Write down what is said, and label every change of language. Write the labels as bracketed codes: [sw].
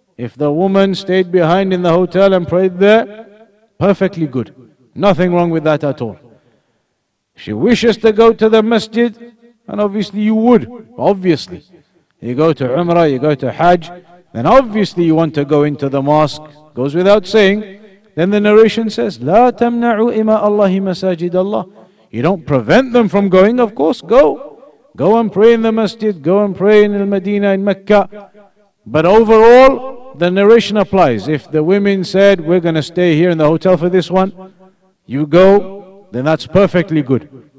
[en] If the woman stayed behind in the hotel and prayed there, perfectly good. Nothing wrong with that at all. She wishes to go to the masjid, and obviously you would, obviously. You go to Umrah, you go to Hajj, then obviously you want to go into the mosque. Goes without saying. Then the narration says, [ar] لا تمنعوا إماء الله مساجد الله. [en] You don't prevent them from going, of course, go. Go and pray in the masjid, go and pray in Al-Madina, in Mecca. But overall, the narration applies. If the women said, we're going to stay here in the hotel for this one, you go, then that's perfectly good.